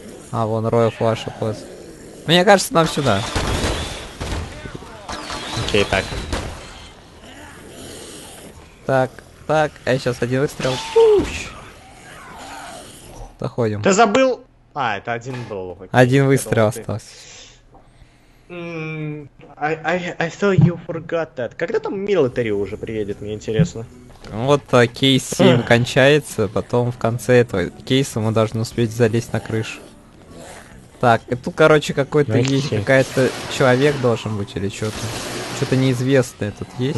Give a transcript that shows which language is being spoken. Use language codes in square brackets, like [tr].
[ru] А, вон Рой Флаш и Пост. Мне кажется, нам сюда. Окей, так. Так. Я сейчас один выстрел. Доходим. Ты забыл! А, это один был. Окей, один выстрел остался. [en] I thought you forgot that. [ru] Когда там милитари уже приедет, мне интересно. Вот кейс 7 кончается, потом в конце этого кейса мы должны успеть залезть на крышу. Так, и тут, короче, какой-то okay. Есть, какой-то человек должен быть или что-то. Что-то неизвестное тут есть.